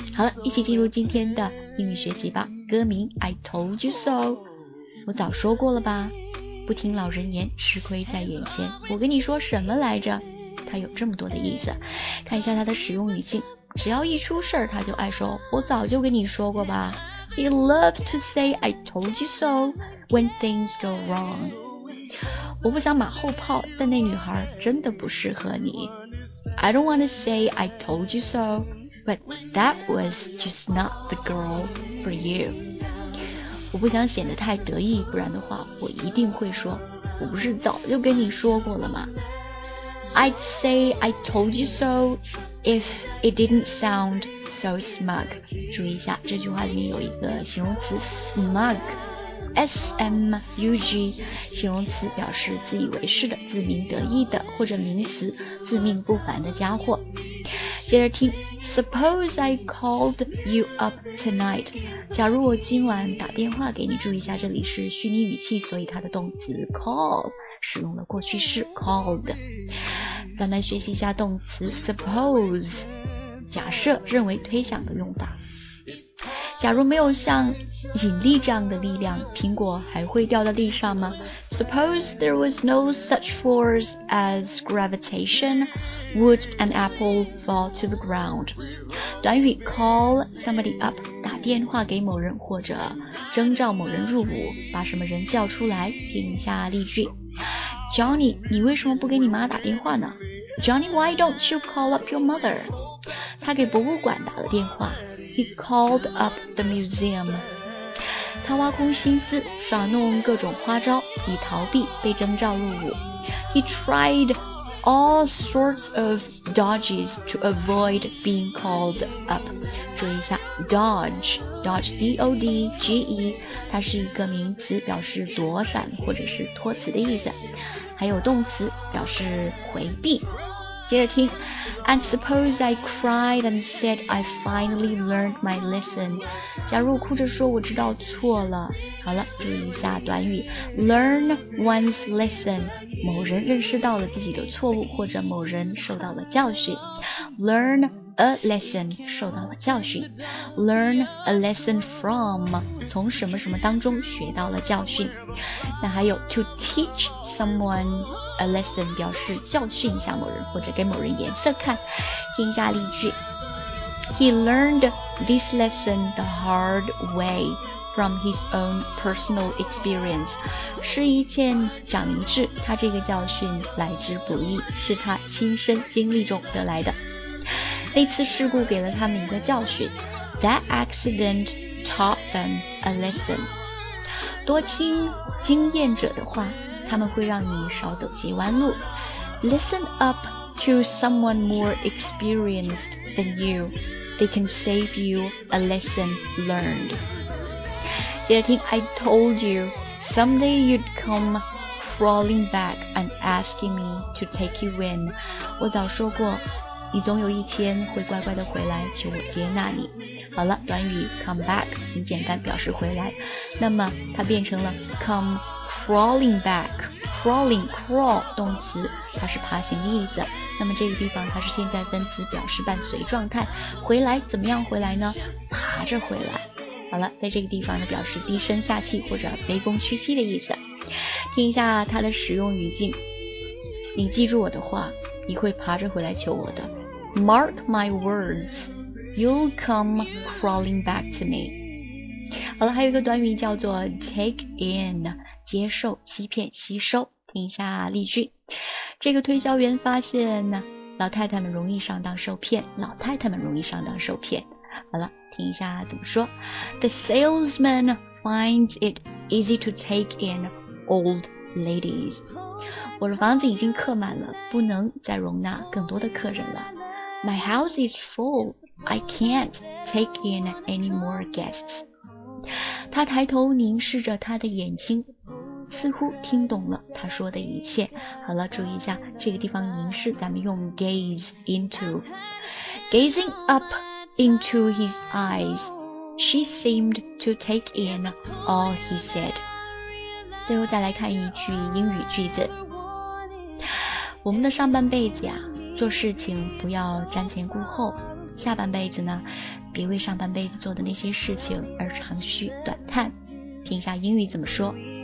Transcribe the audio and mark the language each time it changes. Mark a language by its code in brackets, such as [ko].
[zh] 好了，一起进入今天的英语学习吧。歌名 [en] I told you so， [zh] 我早说过了吧，不听老人言，吃亏在眼前。我跟你说什么来着？它有这么多的意思，看一下它的使用语境，只要一出事儿，它就爱说我早就跟你说过吧。 [en] He loves to say I told you so when things go wrong。 [zh] 我不想马后炮，但那女孩真的不适合你。 [en] I don't wanna say I told you so, but that was just not the girl for you。 [zh] 我不想显得太得意，不然的话我一定会说，我不是早就跟你说过了吗？ [en] I'd say I told you so if it didn't sound so smug。 [zh] 注意一下，这句话里面有一个形容词 smug，SMUG， 形容词，表示自以为是的、自鸣得意的，或者名词，自命不凡的家伙。接着听 [en] Suppose I called you up tonight， [zh] 假如我今晚打电话给你。注意一下，这里是虚拟语气，所以它的动词 call 使用了过去式 called。咱们学习一下动词 suppose， 假设、认为、推想的用法。假如没有像引力这样的力量，苹果还会掉到地上吗？ [en] Suppose there was no such force as gravitation, would an apple fall to the ground? [zh] 短语 call somebody up， 打电话给某人或者征召某人入伍，把什么人叫出来。听一下例句， Johnny， 你为什么不给你妈打电话呢？ [en] Johnny， why don't you call up your mother？ [zh] 他给博物馆打了电话。 [en] He called up the museum. [zh] 他挖空心思，耍弄各种花招，以逃避被征召入伍。 [en] He tried all sorts of dodges to avoid being called up. [zh] 注意一下 ，dodge, dodge, D-O-D-G-E， 它是一个名词，表示躲闪或者是托辞的意思。还有动词，表示回避。接着听 [en] And suppose I cried and said I finally learned my lesson， [zh] 假如我哭着说我知道错了。好了，注意一下短语 [en] Learn one's lesson， [zh] 某人认识到了自己的错误，或者某人受到了教训。 [en] Learn a lesson， [zh] 受到了教训。 [en] Learn a lesson from， [zh] 从什么什么当中学到了教训。那还有 [en] To teach someone a lesson， [zh] 表示教训一下某人，或者给某人颜色看。听一下例句， [en] He learned this lesson the hard way from his own personal experience， [zh] 吃一堑长一智，他这个教训来之不易，是他亲身经历中得来的。那次事故给了他们一个教训， [en] That accident taught them a lesson， [zh] 多听经验者的话，他们会让你少走些弯路。 [en] Listen up to someone more experienced than you. They can save you a lesson learned. [zh] 接着听 [en] I told you someday you'd come crawling back and asking me to take you in. [zh] 我早说过你总有一天会乖乖的回来，求我接纳你。好了，短语 come back 很简单，表示回来，那么它变成了 comeCrawling back， crawling， crawl， 动词，它是爬行的意思。那么这个地方它是现在分词，表示伴随状态。回来怎么样回来呢？爬着回来。好了，在这个地方呢，表示低声下气或者卑躬屈膝的意思。听一下它的使用语境，你记住我的话，你会爬着回来求我的。 [en] Mark my words， you'll come crawling back to me。 [zh] 好了，还有一个短语叫做 take in。接受、欺骗、吸收。听一下例句，这个推销员发现呢，老太太们容易上当受骗，老太太们容易上当受骗。好了，听一下怎么说。 [en] The salesman finds it easy to take in old ladies。 [zh] 我的房子已经客满了，不能再容纳更多的客人了。 [en] My house is full. I can't take in any more guests. [zh] 他抬头凝视着他的眼睛，似乎听懂了他说的一切。好了，注意一下这个地方凝视，咱们用 gaze into. [en] Gazing up into his eyes, she seemed to take in all he said. [zh] 最后再来看一句英语句子。我们的上半辈子呀，做事情不要瞻前顾后，下半辈子呢，别为上半辈子做的那些事情而长吁短叹。听一下英语怎么说。